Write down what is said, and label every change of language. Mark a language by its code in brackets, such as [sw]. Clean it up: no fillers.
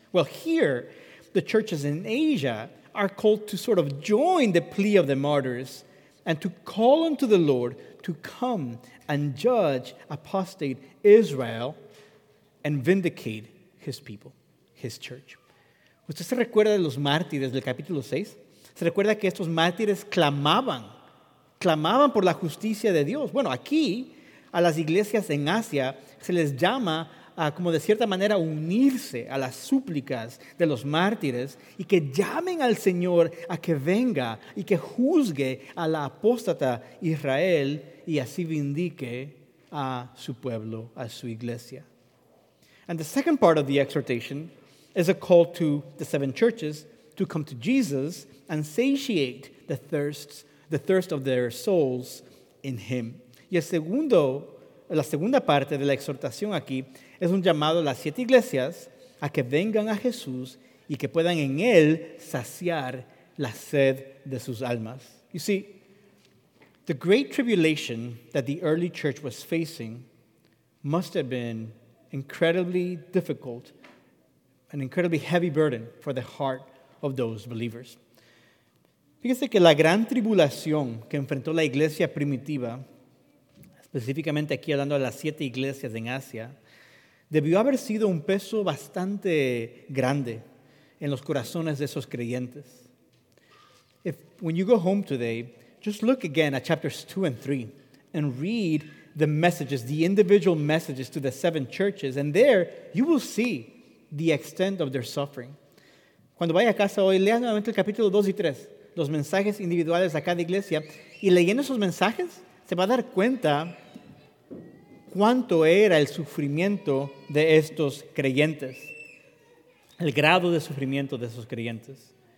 [en] Well, here, the churches in Asia are called to sort of join the plea of the martyrs and to call unto the Lord to come and judge apostate Israel and vindicate his people, his church. [es] ¿Usted se recuerda de los mártires del capítulo 6? ¿Se recuerda que estos mártires clamaban por la justicia de Dios? Bueno, aquí a las iglesias en Asia se les llama a, como de cierta manera, unirse a las súplicas de los mártires y que llamen al Señor a que venga y que juzgue a la apóstata Israel y así vindique a su pueblo, a su iglesia. [en] And the second part of the exhortation is a call to the seven churches to come to Jesus and satiate the thirst of their souls in him. [es] Y la segunda parte de la exhortación aquí es un llamado a las siete iglesias a que vengan a Jesús y que puedan en él saciar la sed de sus almas. [en] You see, the great tribulation that the early church was facing must have been incredibly difficult, an incredibly heavy burden for the heart of those believers. [es] Fíjese que la gran tribulación que enfrentó la iglesia primitiva, específicamente aquí hablando de las siete iglesias en Asia, debió haber sido un peso bastante grande en los corazones de esos creyentes. [en] When you go home today, just look again at chapters 2 and 3 and read the messages, the individual messages to the seven churches, and there you will see the extent of their suffering. [es] Cuando vaya a casa hoy, lea nuevamente el capítulo 2 y 3, los mensajes individuales a cada iglesia, y leyendo esos mensajes, se va a dar cuenta cuánto era el sufrimiento de estos creyentes, el grado de sufrimiento de esos creyentes.